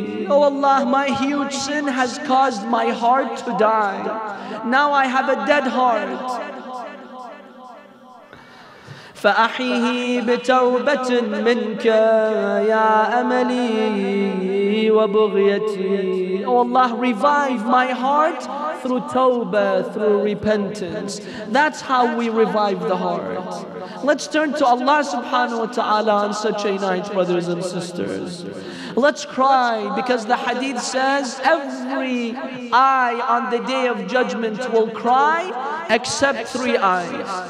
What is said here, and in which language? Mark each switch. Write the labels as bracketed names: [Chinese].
[English] Oh Allah, my huge sin has caused my heart to die. Now I have a dead heart. [Arabic] فأحيه بتوبة منك يا أملي وبغيتي. [English] Oh Allah, revive my heart through tawbah, through repentance. That's how we revive the heart. Let's turn to Allah subhanahu wa ta'ala on such a night, brothers and sisters. Let's cry because the hadith says every eye on the day of judgment will cry except three eyes.